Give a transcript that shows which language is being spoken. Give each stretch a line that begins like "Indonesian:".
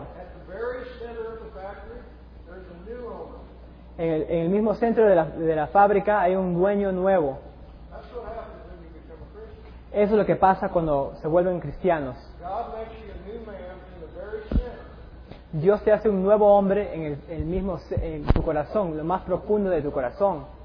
English: At the very center of the factory, there's a new owner.
Spanish: En el mismo centro de la fábrica hay un dueño nuevo.
English: That's what happens when you become a Christian.
Spanish: Eso es lo que pasa cuando se vuelven cristianos.
English: God makes you a new man in the very center.
Spanish: Dios te hace un nuevo hombre en tu corazón, lo más profundo de tu corazón.